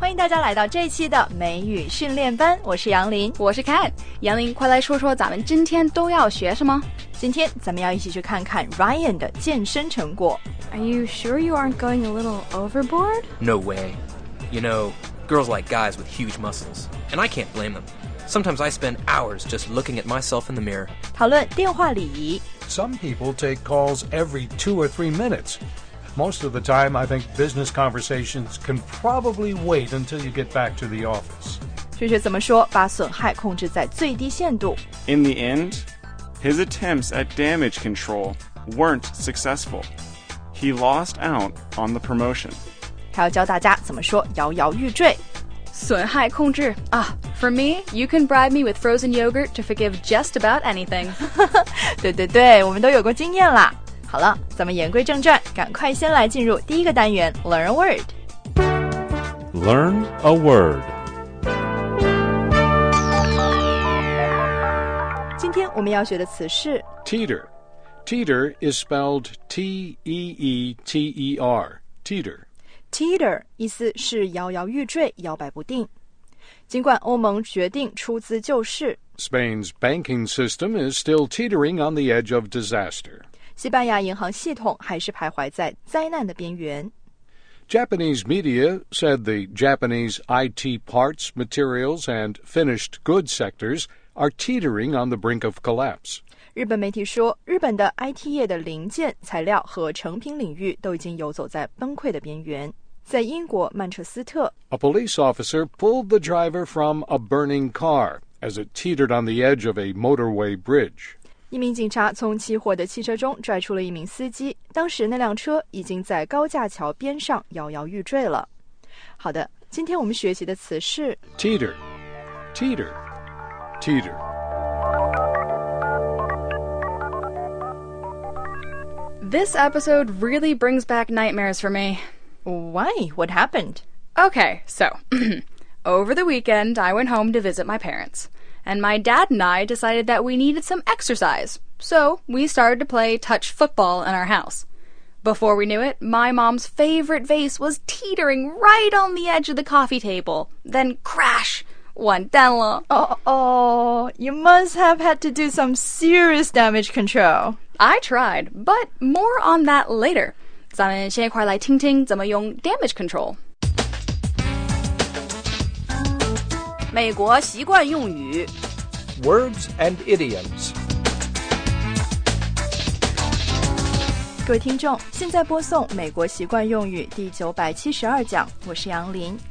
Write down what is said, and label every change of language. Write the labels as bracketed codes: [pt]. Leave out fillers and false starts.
[zh] 家来到这一期的美语训练班，我是杨林，我是 Kat。杨林，快来说说咱们今天都要学什么。今天咱们要一起去看看 Ryan 的健身成果。 [en] Are you sure you aren't going a little overboard? No way. You know, girls like guys with huge muscles, and I can't blame them. Sometimes I spend hours just looking at myself in the mirror. [zh] 讨论电话礼仪。 [en] Some people take calls every 2 or 3 minutes. Most of the time, I think business conversations can probably wait until you get back to the office. [zh] 学学怎么说，把损害控制在最低限度。 [en] In the end, his attempts at damage control weren't successful. He lost out on the promotion. [zh] 他要教大家怎么说摇摇欲坠。损害控制啊。 [en] For me, you can bribe me with frozen yogurt to forgive just about anything. [zh] 对对对，我们都有过经验啦。好了，咱们言归正传，赶快先来进入第一个单元 [en] Learn a Word。 Learn a Word。 [zh] 今天我们要学的词是 [en] Teeter。 Teeter is spelled T-E-E-T-E-R。 Teeter。 [zh] Teeter 意思是摇摇欲坠，摇摆不定。尽管欧盟决定出资救市， [en] Spain's banking system is still teetering on the edge of disaster. [zh] 西班牙银行系统还是徘徊在灾难的边缘。 [en] Japanese media said the Japanese IT parts, materials, and finished goods sectors are teetering on the brink of collapse. [zh] 日本媒体说，日本的 IT 业的零件、材料和成品领域都已经游走在崩溃的边缘。在英国曼彻斯特， [en] A police officer pulled the driver from a burning car as it teetered on the edge of a motorway bridge. [zh] 一名警察从起火的汽车中拽出了一名司机，当时那辆车已经在高架桥边上摇摇欲坠了。好的，今天我们学习的词是 [en] teeter, teeter, teeter. This episode really brings back nightmares for me. Why? What happened? Okay, so, over the weekend, I went home to visit my parents. And my dad and I decided that we needed some exercise, so we started to play touch football in our house. Before we knew it, my mom's favorite vase was teetering right on the edge of the coffee table. Then crash! [zh] 完蛋了。 [en] Oh, you must have had to do some serious damage control. I tried, but more on that later. [zh] 咱们先一块来听听怎么用 damage control. 美国习惯用语 [en] Words and idioms. [zh] 各位听众，现在播送美国习惯用语第972讲，我是杨林，